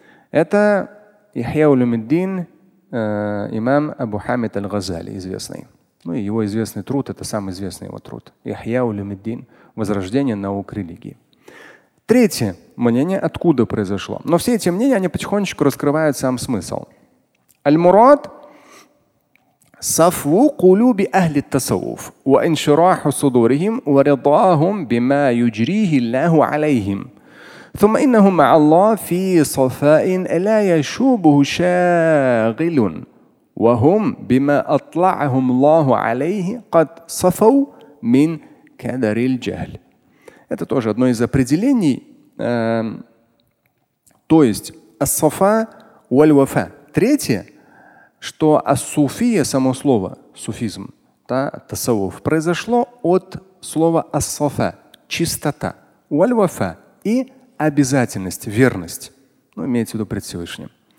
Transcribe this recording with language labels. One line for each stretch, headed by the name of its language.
Russian: Это Ихья Улумиддин, имам Абу Хамид Аль-Газали, известный. Ну и его известный труд, это самый известный его труд. Ихья Улумиддин, возрождение наук религии. Третье мнение, откуда произошло. Но все эти мнения, они потихонечку раскрывают сам смысл.
Arabic: Аль-Мурад صفو قلوب أهل التصوف وانشراح صدورهم ورضاهم بما يجريه الله عليهم ثم إنهم مع الله في صفاء لا يشوبه شاغل وهم بما أطلعهم الله عليه قد صفوا من كدر الجهل.
Russian: Это тоже одно из определений, то есть الصفاء والوفاء. Третье, что ас-суфия, само слово суфизм, да, тасавуф, произошло от слова ас-сафа, чистота, уаль-вафа и обязательность, верность, ну, имеется в виду пред Всевышним.